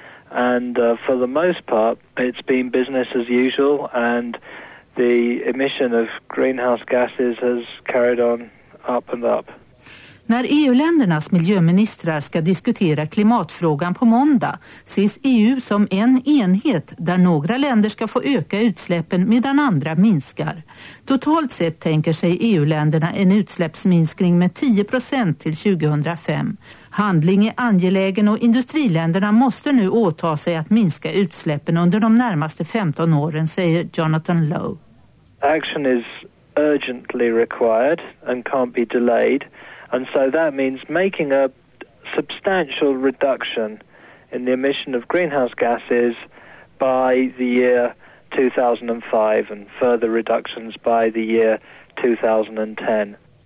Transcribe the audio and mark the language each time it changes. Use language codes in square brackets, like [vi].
[en] And for the most part, it's been business as usual, and the emission of greenhouse gases has carried on up and up. [sv] När EU-ländernas miljöministrar ska diskutera klimatfrågan på måndag ses EU som en enhet där några länder ska få öka utsläppen medan andra minskar. Totalt sett tänker sig EU-länderna en utsläppsminskning med 10% till 2005. Handling är angelägen och industriländerna måste nu åta sig att minska utsläppen under de närmaste 15 åren, säger Jonathan Lowe. [en] Action is urgently required and can't be delayed. And so that means making a substantial reduction in the emission of greenhouse gases by the year 2005 and further reductions by the year 2010.